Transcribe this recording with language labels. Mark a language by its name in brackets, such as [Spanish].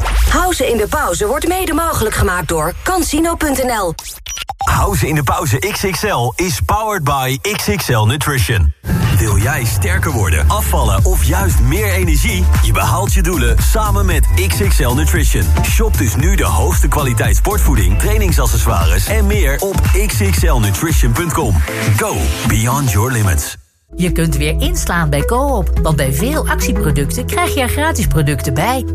[Dutch] House in de pauze wordt mede mogelijk gemaakt door Cansino.nl. House in de pauze XXL [English] is powered by [Dutch] XXL Nutrition. Wil jij sterker worden, afvallen of juist meer energie? Je behaalt je doelen samen met XXL Nutrition. Shop dus nu de hoogste kwaliteit sportvoeding, trainingsaccessoires en meer op xxlnutrition.com. [English] Go beyond your limits. [Dutch] Je kunt weer inslaan bij Co-op, want bij veel actieproducten krijg je er gratis producten bij.